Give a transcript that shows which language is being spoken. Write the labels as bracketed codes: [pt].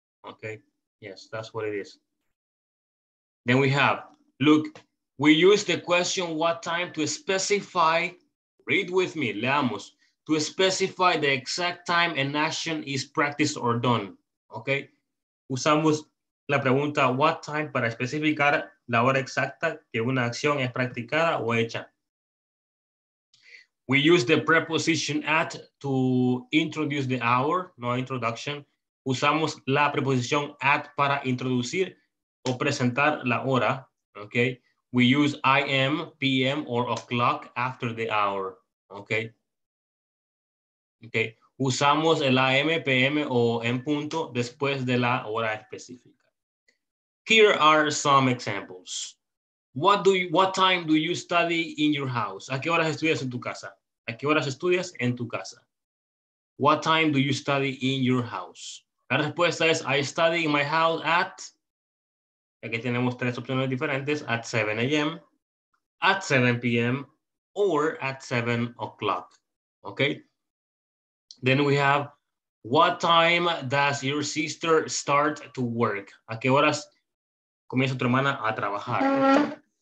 [en] Okay, yes, that's what it is. Then we have, look, we use the question what time to specify, read with me, [es] leamos, [en] to specify the exact time an action is practiced or done. [es] Okay, usamos la pregunta what time para especificar la hora exacta que una acción es practicada o hecha. [en] We use the preposition at to introduce the hour, no introduction. [es] Usamos la preposición at para introducir o presentar la hora. [en] Okay. We use I.M., P.M. or o'clock after the hour. Okay. Okay. [es] Usamos el A.M., P.M. o en punto después de la hora específica. [en] Here are some examples. What time do you study in your house? [es] ¿A qué horas estudias en tu casa? ¿A qué horas estudias en tu casa? [en] What time do you study in your house? [es] La respuesta es, [en] I study in my house at, [es] aquí tenemos tres opciones diferentes, [en] at 7 a.m., at 7 p.m., or at 7 o'clock. Okay? Then we have, what time does your sister start to work? [es] ¿A qué horas comienza tu hermana a trabajar?